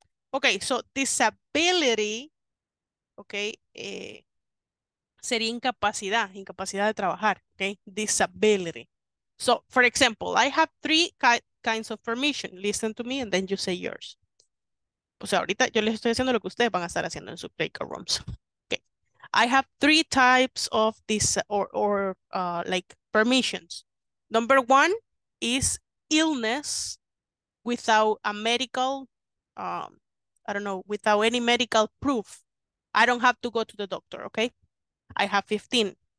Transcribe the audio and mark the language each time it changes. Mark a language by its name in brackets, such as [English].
[English] Okay, so disability, okay, sería incapacidad de trabajar, okay, disability. So, for example, I have three kinds of permission. Listen to me and then you say yours. [Spanish] O sea, ahorita yo les estoy haciendo lo que ustedes van a estar haciendo en sus breakout rooms. [English] I have three types of this like permissions. Number one is illness without a medical, I don't know, without any medical proof. I don't have to go to the doctor, okay? I have 15.